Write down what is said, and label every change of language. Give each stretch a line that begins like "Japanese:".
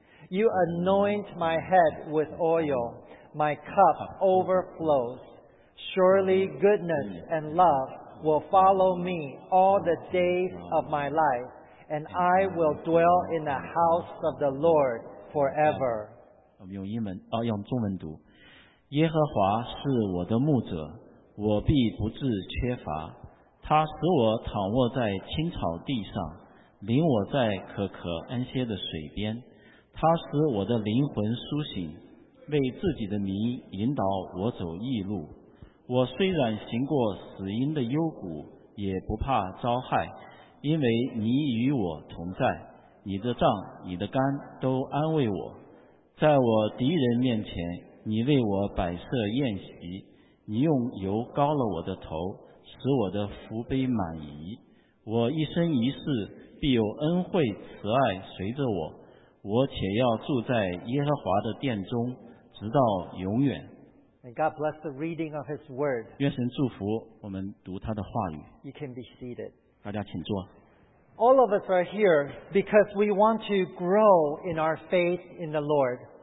English: You anoint my head with oil. My cup overflows. Surely goodness and love will follow me all the days of my life, and I will dwell in the house of the Lord forever.
Chinese: 用英文，用中文读。耶和华是我的牧者。我必不致缺乏，他使我躺卧在青草地上，领我在可安歇的水边，他使我的灵魂苏醒，为自己的名引导我走义路。我虽然行过死荫的幽谷，也不怕遭害，因为你与我同在，你的杖、你的竿都安慰我。在我敌人面前，你为我摆设宴席。你用油膏了我的头，使我的福杯满溢。我一生一世必有恩惠慈爱随着我，我且要住在耶和华的殿中，直到永远。
English: May God bless the reading of His word.
Chinese: 愿神祝福我们读他的话语。
English: You can be seated.
Chinese: 大家请坐。
English: All of us are here because we want to grow in our faith in the Lord.